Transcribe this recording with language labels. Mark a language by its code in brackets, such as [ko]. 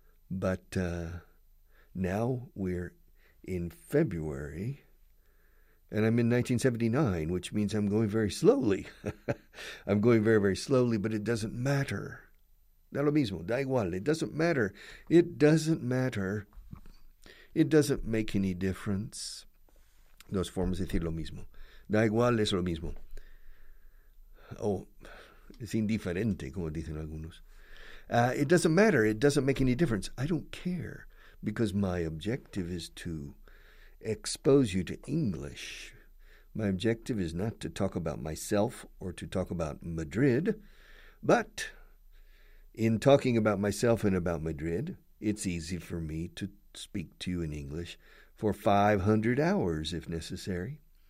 [en] But now we're in February, and I'm in 1979, which means I'm going very slowly. I'm going very, very slowly, but it doesn't matter. [es] Da lo mismo, da igual, [en] it doesn't matter. It doesn't matter. It doesn't make any difference. [es] Dos formas de decir lo mismo. Da igual es lo mismo. Oh, es indiferente, como dicen algunos. [en] It doesn't matter. It doesn't make any difference. I don't care, because my objective is to expose you to English. My objective is not to talk about myself or to talk about Madrid, but in talking about myself and about Madrid, it's easy for me to speak to you in English for 500 hours if necessary.